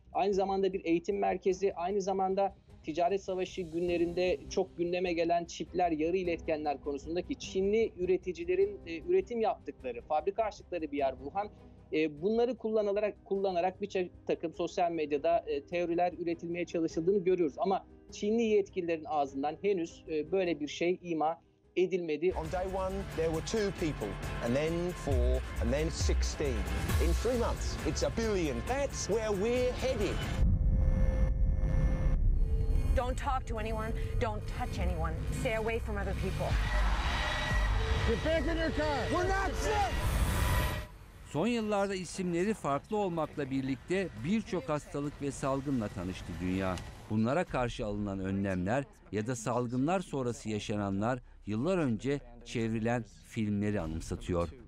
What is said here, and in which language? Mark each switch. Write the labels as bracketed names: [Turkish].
[Turkish] Aynı zamanda bir eğitim merkezi, aynı zamanda ticaret savaşı günlerinde çok gündeme gelen çipler, yarı iletkenler konusundaki Çinli üreticilerin üretim yaptıkları, fabrika açtıkları bir yer Wuhan. Bunları kullanarak bir takım sosyal medyada teoriler üretilmeye çalışıldığını görüyoruz. Ama Çinli yetkililerin ağzından henüz böyle bir şey ima edilmedi. [English] On day one there were two people, and then four, and then 16. In three months it's a billion. That's where we're headed. Don't talk to anyone, don't touch anyone, stay away from other people. Get back in your car. We're not sick. [Turkish] Son yıllarda isimleri farklı olmakla birlikte birçok hastalık ve salgınla tanıştı dünya. Bunlara karşı alınan önlemler ya da salgınlar sonrası yaşananlar yıllar önce çevrilen filmleri anımsatıyor.